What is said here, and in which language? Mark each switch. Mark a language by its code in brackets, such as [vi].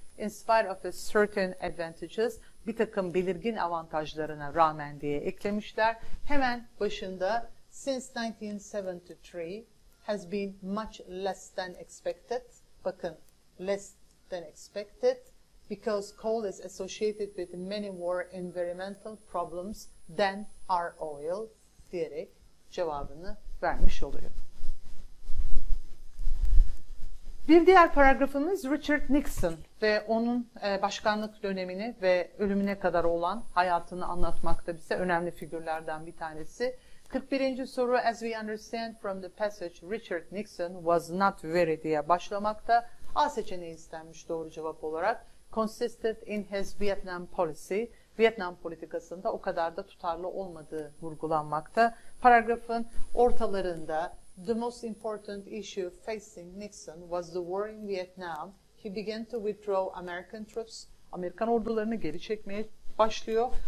[en] In spite of a certain advantages, [tr] bir takım belirgin avantajlarına rağmen diye eklemişler. Hemen başında [en] since 1973 has been much less than expected. [tr] Bakın, [en] less than expected because coal is associated with many more environmental problems than our oil [tr] diyerek cevabını vermiş oluyor. Bir diğer paragrafımız Richard Nixon ve onun başkanlık dönemini ve ölümüne kadar olan hayatını anlatmakta bize önemli figürlerden bir tanesi. 41. soru, [en] as we understand from the passage, Richard Nixon was not very [tr] diye başlamakta. A seçeneği istenmiş doğru cevap olarak. [en] Consisted in his Vietnam policy. [tr] Vietnam politikasında o kadar da tutarlı olmadığı vurgulanmakta. Paragrafın ortalarında, [en] the most important issue facing Nixon was the war in Vietnam. He began to withdraw American troops. [tr] Amerikan ordularını geri çekmeye başlıyor.